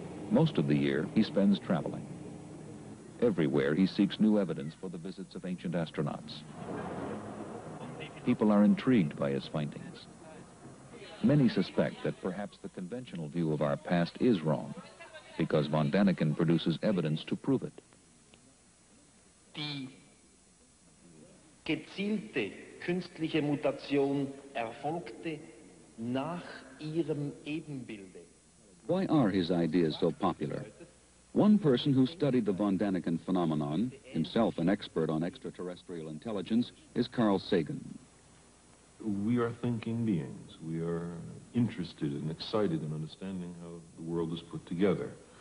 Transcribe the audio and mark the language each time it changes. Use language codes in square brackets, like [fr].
[en] Most of the year, he spends traveling. Everywhere, he seeks new evidence for the visits of ancient astronauts. People are intrigued by his findings. Many suspect that perhaps the conventional view of our past is wrong, because von Daniken produces evidence to prove it. [de] Die gezielte künstliche Mutation erfolgte nach ihrem Ebenbilde. [en] Why are his ideas so popular? One person who studied the von Daniken phenomenon, himself an expert on extraterrestrial intelligence, is Carl Sagan. We are thinking beings. We are interested and excited in understanding how the world is put together.